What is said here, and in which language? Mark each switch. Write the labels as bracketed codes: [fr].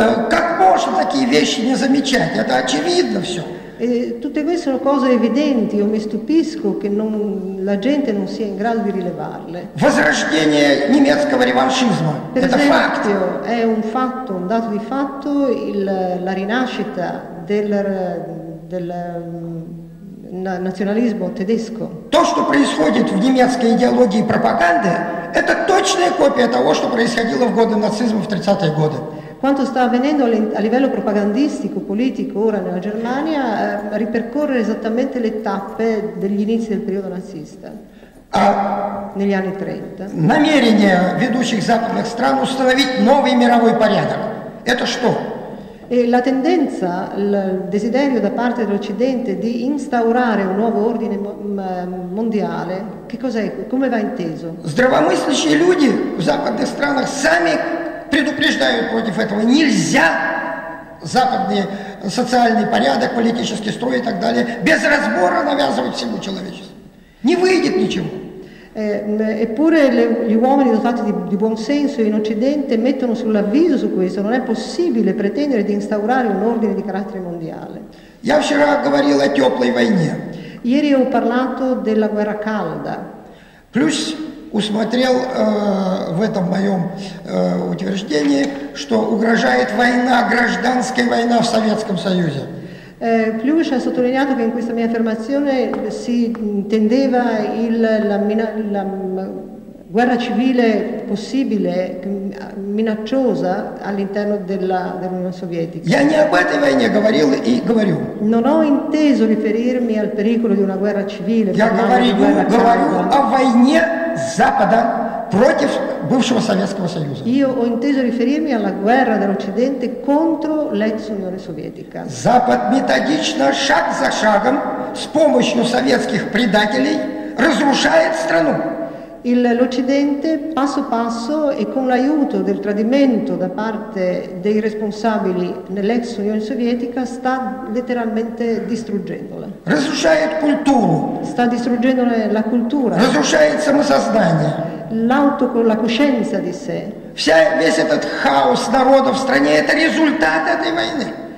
[ru] Как можно такие вещи не замечать? Это очевидно все. [it] E tutte queste sono cose evidenti, io mi stupisco che non, la gente non sia in grado di rilevarle. [ru] Возрождение немецкого реваншизма. [it] Per esempio, è un fatto, un dato di fatto, la rinascita del nazionalismo tedesco. [ru] То, что происходит в немецкой идеологии и пропаганде, это точная копия того, что происходило в годы нацизма в 30-е годы. [it] quanto sta avvenendo a livello propagandistico, politico ora nella Germania, ripercorre esattamente le tappe degli inizi del periodo nazista. Negli anni 30. [ru] Намерение ведущих западных стран установить новый мировой порядок. Это что? [it] E la tendenza, il desiderio da parte dell'Occidente di instaurare un nuovo ordine mondiale, che cos'è? Come va inteso? [ru] Здравомыслящие люди в западных странах сами предупреждают против этого. Нельзя западный социальный порядок, политический строй и так далее без разбора навязывать всему человечеству. Не выйдет ничего. [it] Eppure gli uomini dotati di buon senso in Occidente mettono sull'avviso su questo: non è possibile pretendere di instaurare un ordine di carattere mondiale. [ru] Я вчера говорил о теплой войне. [it] Ieri ho parlato della guerra calda. [ru] Плюс усмотрел в этом моем утверждении, что угрожает война, гражданская война в Советском Союзе. [it] Plush ha sottolineato che in questa mia affermazione si intendeva la guerra civile possibile, minacciosa all'interno dell'Unione Sovietica. [ru] Я не об этой войне говорил и говорю. [it] Non ho inteso riferirmi al pericolo di una guerra civile. [ru] Я говорю о войне Запада против бывшего Советского Союза. [it] Io ho inteso riferirmi alla guerra dell'Occidente contro l'ex Unione Sovietica. [ru] Запад методично, шаг за шагом, с помощью советских предателей, разрушает страну. [it] L'Occidente passo passo e con l'aiuto del tradimento da parte dei responsabili nell'ex Unione Sovietica sta letteralmente distruggendola. [ru] Разрушает культуру. [it] Sta distruggendo la cultura. [ru] Разрушает самосознание. [it] L'auto con la coscienza di sé. [ru] Весь этот хаос народа в стране это результат этой войны.